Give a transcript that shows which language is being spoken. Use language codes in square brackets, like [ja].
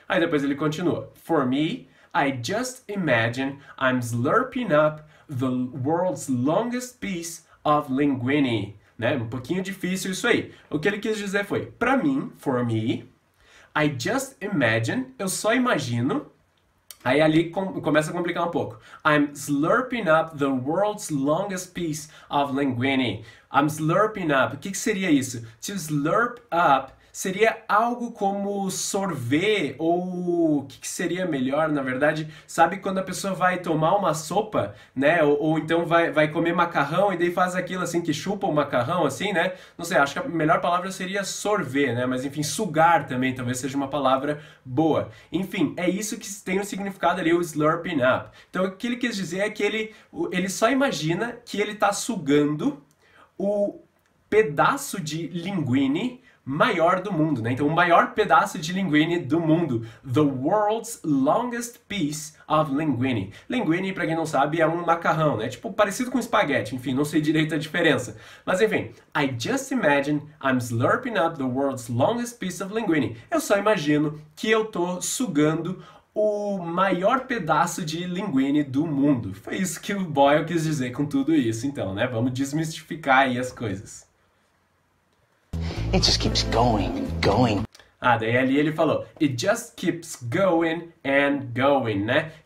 [pt] Aí depois ele continua: [en] For me, I just imagine I'm slurping up the world's longest piece of linguine. Né? [pt] Um pouquinho difícil isso aí. O que ele quis dizer foi: Pra mim, [en] for me, I just imagine, [pt] eu só imagino. Aí ali começa a complicar um pouco. [en] I'm slurping up the world's longest piece of linguine. I'm slurping up. [pt] O que, que seria isso? [en] To slurp up. [pt] Seria algo como sorver, ou o que seria melhor, na verdade? Sabe quando a pessoa vai tomar uma sopa, né? Ou então vai comer macarrão e daí faz aquilo assim, que chupa o macarrão, assim, né? Não sei, acho que a melhor palavra seria sorver, né? Mas enfim, sugar também talvez seja uma palavra boa. Enfim, é isso que tem o significado ali, o slurping up. Então, o que ele quis dizer é que ele só imagina que ele tá sugando o pedaço de linguine maior do mundo, né? Então, o maior pedaço de linguine do mundo. [en] The world's longest piece of linguine. [pt] Linguine, pra quem não sabe, é um macarrão, né? Tipo, parecido com espaguete. Enfim, não sei direito a diferença. Mas, enfim. [en] I just imagine I'm slurping up the world's longest piece of linguine. [pt] Eu só imagino que eu tô sugando o maior pedaço de linguine do mundo. Foi isso que o Boyle quis dizer com tudo isso, então, né? Vamos desmistificar aí as coisas. [en] It just keeps going and going. [pt] Ah, daí ali ele falou, [en] it just keeps going and going, né?